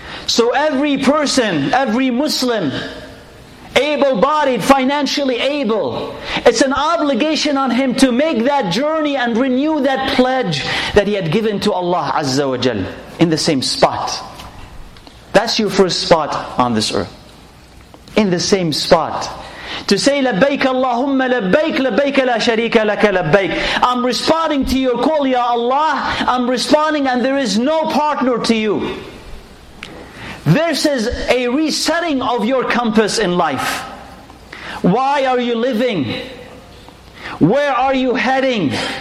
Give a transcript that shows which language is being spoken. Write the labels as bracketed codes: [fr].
[en] So every person, every Muslim, able-bodied, financially able, it's an obligation on him to make that journey and renew that pledge that he had given to Allah [ar] Azza wa Jal [en] in the same spot. That's your first spot on this earth. In the same spot. [ar] To say, لَبَّيْكَ اللَّهُمَّ لَبَّيْكَ لَبَّيْكَ لَا شَرِيكَ لَكَ لَبَّيْكَ. [en] I'm responding to your call, Ya Allah. I'm responding and there is no partner to you. This is a resetting of your compass in life. Why are you living? Where are you heading?